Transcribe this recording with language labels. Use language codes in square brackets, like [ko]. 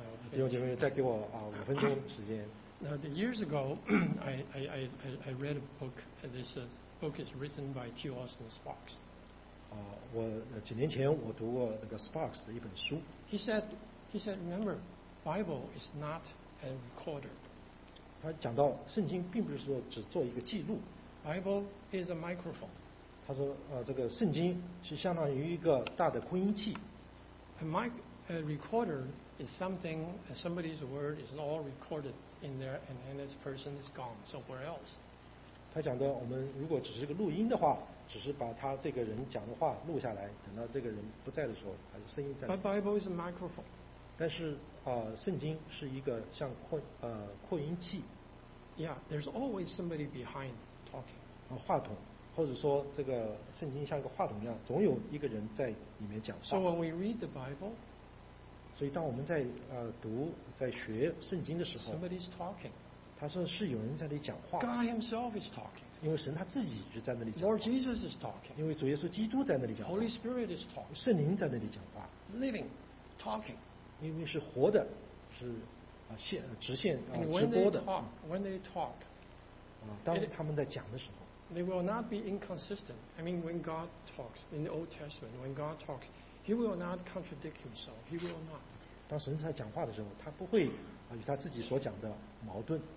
[zh] 弟兄姐妹，再给我五分钟时间。 [en] Now, years ago, I read a book. This book is written by T. Austin Sparks. [zh] 我几年前我读过那个 Sparks 的一本书。 [en] He said, remember, Bible is not a recorder. [zh] 他讲到圣经并不是说只做一个记录。 [en] Bible is a microphone. [zh] 他说这个圣经是相当于一个大的扩音器。 [en] A recorder is something, somebody's word is all recorded in there and then this person is gone somewhere else. [zh] 他讲的我们如果只是个录音的话，只是把他这个人讲的话录下来，等到这个人不在的时候，还是声音在。 [en] But Bible is a microphone. [zh] 但是圣经是一个像扩音器。 [en] Yeah, there's always somebody behind talking. [zh] 话筒。或者说这个圣经像一个话筒一样总有一个人在里面讲话 [en] So when we read the Bible, [zh] 所以当我们在读在学圣经的时候 [en] Somebody's talking [zh] 他说是有人在那里讲话 [en] God himself is talking [zh] 因为神他自己就在那里讲话 [en] Lord Jesus is talking [zh] 因为主耶稣基督在那里讲话 [en] Holy Spirit is talking [zh] 圣灵在那里讲话 [en] Living, talking [zh] 因为是活的是直线直播的 [en] when they talk [zh] 当他们在讲的时候 [en] They will not be inconsistent. I mean, when God talks in the Old Testament, when God talks, He will not contradict Himself. He will not. [zh] 当神在讲话的时候，他不会与他自己所讲的矛盾。